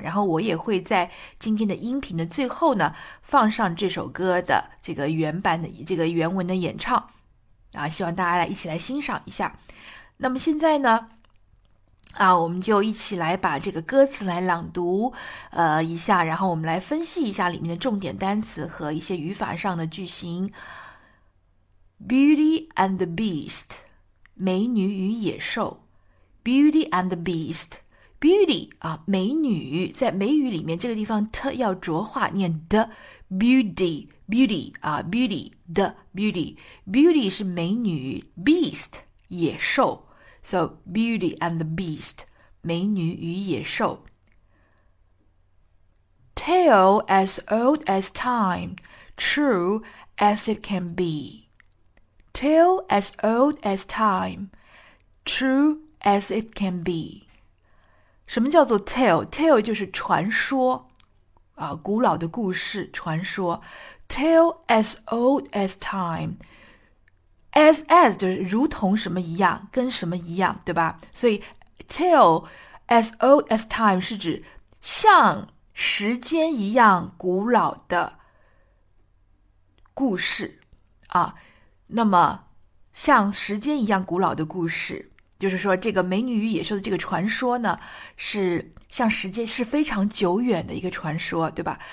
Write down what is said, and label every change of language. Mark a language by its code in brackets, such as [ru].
[zh] 然后我也会在今天的音频的最后呢，放上这首歌的这个原版的这个原文的演唱，希望大家来一起来欣赏一下。那么现在呢？我们就一起来把这个歌词来朗读，一下，然后我们来分析一下里面的重点单词和一些语法上的句型。 [en] Beauty and the Beast，美女与野兽。 [zh] Beauty and the Beast，Beauty 美女，在美语里面这个地方特要浊化念的，Beauty，Beauty Beauty，Beauty 是美女，Beast 野兽。 [en] So, Beauty and the Beast, 美女与野兽。 Tale as old as time, true as it can be. Tale as old as time, true as it can be. [zh] 什么叫做 tale？tale tale 就是传说，古老的故事，传说。 [en] Tale as old as time。 [zh] As 就是如同什么一样，跟什么一样，对吧？所以 [en] tale as old as time [zh] 是指像时间一样古老的故事那么像时间一样古老的故事，就是说这个美女与野兽的这个传说呢，是像时间是非常久远的一个传说，对吧？